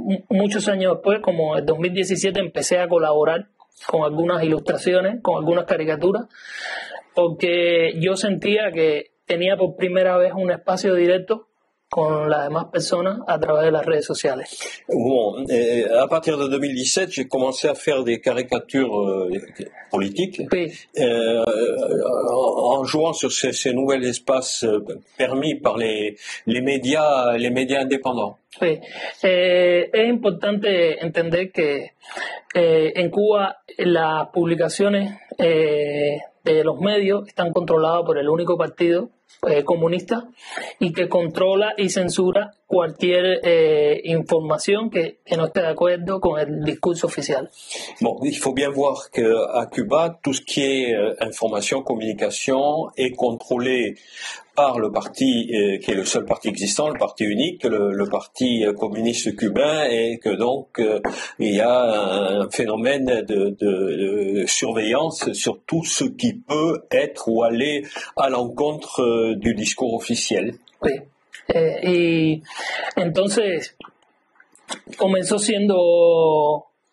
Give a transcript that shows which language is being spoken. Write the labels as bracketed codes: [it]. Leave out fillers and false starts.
[es] Muchos años después, como en 2017, empecé a colaborar con algunas ilustraciones, con algunas caricaturas, porque yo sentía que tenía por primera vez un espacio directo con las demás personas a través de las redes sociales. [fr] Bon, à partir de 2017, j'ai commencé à faire des caricatures politiques. Oui. En jouant sur ces nouveaux espaces permis par les médias indépendants. Oui. [es] Es importante entender que en Cuba las publicaciones de los medios están controladas por el único partido comunista y que controla y censura cualquier información que no esté de acuerdo con el discurso oficial. [fr] Bon, il faut bien voir que à Cuba, tout ce qui est information, communication est contrôlé par le parti qui est le seul parti existant, le parti unique, le parti communiste cubain, et que donc il y a un phénomène de surveillance sur tout ce qui peut être ou aller à l'encontre du discours officiel. Oui. [es] Y entonces comenzó siendo.